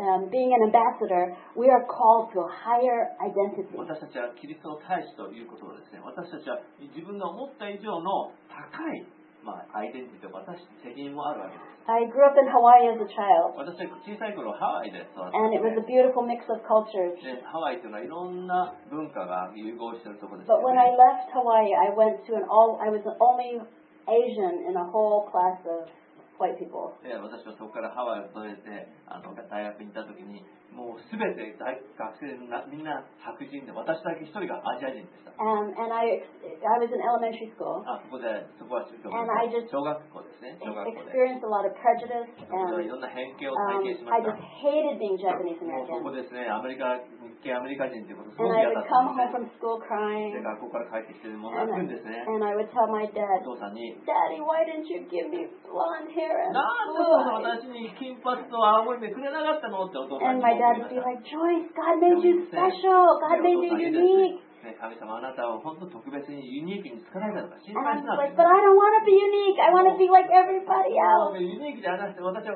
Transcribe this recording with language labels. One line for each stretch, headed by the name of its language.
English: being an ambassador, we are called to a higher identity.
Japanese: 私たちはキリストの大使ということをですね、私たちは自分の思った以上の高い、まあ、アイデンティティと私責任もあるわけです。
English: I grew up in Hawaii as a child.
Japanese: 私は小さい頃ハワイで育って、
English: and it was a beautiful mix of cultures.
Japanese: で、ハワイというのはいろんな文化が融合しているところです。
English: But when I left Hawaii, I went to an all, I was the only Asian in a whole class of white people.
Japanese: で、私はそこからハワイを出て、あの大学に行った時に、もうすべて大学生のみんな白人で、私だけ一人がアジア人でした。
English: And I was in elementary school.
Japanese: あ、ここで、そこは小学校。
English: And I just
Japanese: 小学校ですね。小学校で。
English: Experienced a lot of prejudice and
Japanese: いろんな偏見を体験しました。
English: I just hated being Japanese American.
Japanese: ここですね、アメリカ日系アメリカ人ということすごく嫌だった。
English: And I would come home from school crying.
Japanese: で、学校から帰ってきてもう泣くんですね。
English: And I would tell my dad, Daddy, why didn't you give me blonde hair and blue eyes?
Japanese: なんで私に金髪と青い目くれなかったのってお父さんに。
English: Dad would be like, Joyce, God made you special. God made you unique. And I was like, but I don't want to be unique. I want to be like everybody else.